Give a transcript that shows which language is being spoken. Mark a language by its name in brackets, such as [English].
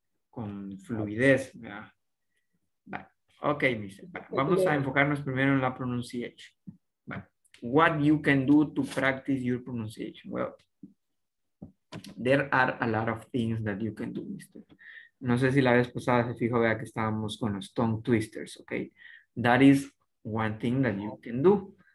[Spanish] Con fluidez, ¿verdad? But, okay, vamos a enfocarnos primero en la pronunciation. [English] But, what you can do to practice your pronunciation? Well, there are a lot of things that you can do, mister. [Spanish] No sé si la vez pasada se fijó, vea que estábamos con los tongue twisters, okay? [English] That is one thing that you can do.